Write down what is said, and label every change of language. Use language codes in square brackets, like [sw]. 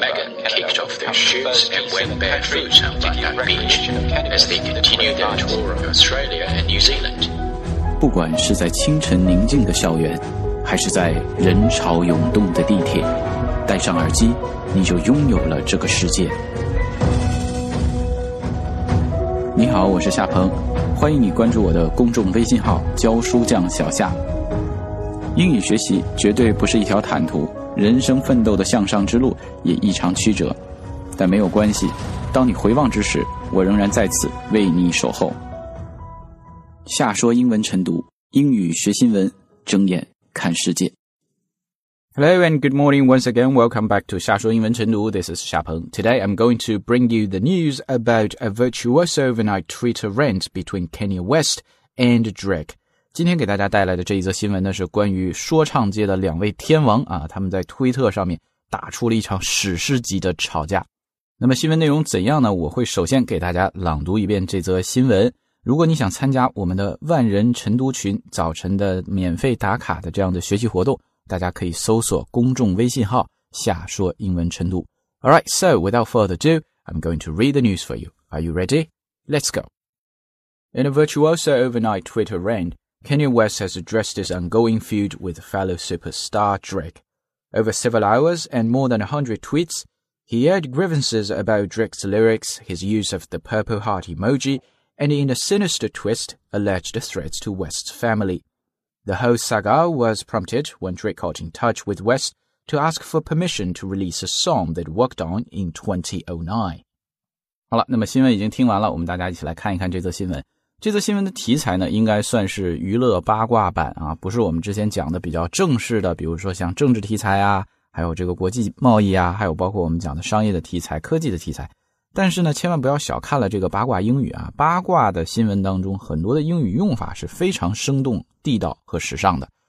[en] Megan kicked off their shoots and went barefoot on Bundang Beach as they continued their tour of Australia and New Zealand. [zh] 不管是在清晨宁静的校园，还是在人潮涌动的地铁，戴上耳机，你就拥有了这个世界。你好，我是夏鹏，欢迎你关注我的公众微信号教书匠小夏。英语学习绝对不是一条坦途，人生奋斗的向上之路也异常曲折，但没有关系，当你回望之时，我仍然在此为你守候。夏说英文晨读，英语学新闻，睁眼看世界。 [en] Hello and good morning once again. Welcome back to 夏说英文晨读.This is 夏鹏. Today I'm going to bring you the news about a virtuous overnight Twitter rant between Kanye West and Drake. [zh] 今天给大家带来的这一则新闻呢，是关于说唱界的两位天王啊，他们在推特上面打出了一场史诗级的吵架。那么新闻内容怎样呢？我会首先给大家朗读一遍这则新闻。如果你想参加我们的万人晨读群早晨的免费打卡的这样的学习活动，大家可以搜索公众微信号夏说英文晨读。 [en] Alright, so without further ado, I'm going to read the news for you. Are you ready? Let's go. In a virtuoso overnight Twitter rant, Kanye West has addressed his ongoing feud with fellow superstar Drake. Over several hours and more than 100 tweets, he aired grievances about Drake's lyrics, his use of the purple heart emoji, and in a sinister twist, alleged threats to West's family. The whole saga was prompted when Drake got in touch with West to ask for permission to release a song they'd worked on in 2009. [zh] 好了，那么新闻已经听完了，我们大家一起来看一看这则新闻。这则新闻的题材呢，应该算是娱乐八卦版啊，不是我们之前讲的比较正式的，比如说像政治题材啊，还有这个国际贸易啊，还有包括我们讲的商业的题材、科技的题材。但是呢，千万不要小看了这个八卦英语啊，八卦的新闻当中很多的英语用法是非常生动地道和时尚的。